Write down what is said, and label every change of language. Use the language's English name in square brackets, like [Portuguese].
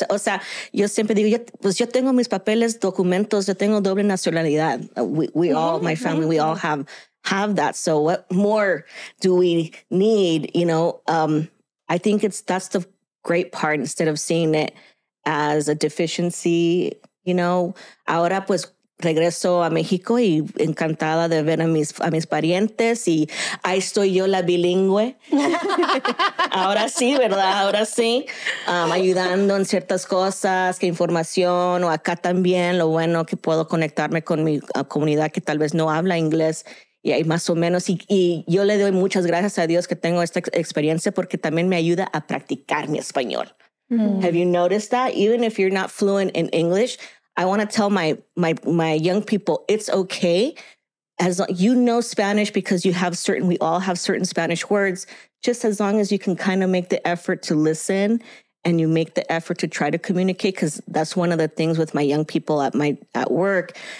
[Spanish] O sea, yo siempre digo, yo tengo mis papeles, documentos, yo tengo doble nacionalidad. [English] We mm-hmm. all, my family, mm-hmm. we all have that. So what more do we need? You know, I think that's the great part, instead of seeing it as a deficiency. You know, [Spanish] ahora pues regreso a México y encantada de ver a mis parientes. Y ahí estoy yo, la bilingüe. Ahora sí, ¿verdad? Ahora sí. Ayudando en ciertas cosas, que información, o acá también, lo bueno que puedo conectarme con mi comunidad que tal vez no habla inglés. Y ahí más o menos. Y yo le doy muchas gracias a Dios que tengo esta experiencia porque también me ayuda a practicar mi español. [English] Mm. Have you noticed that? Even if you're not fluent in English, I want to tell my young people, it's okay. As long, you know Spanish because you have certain, we all have certain Spanish words. Just as long as you can kind of make the effort to listen and you make the effort to try to communicate, because that's one of the things with my young people at work.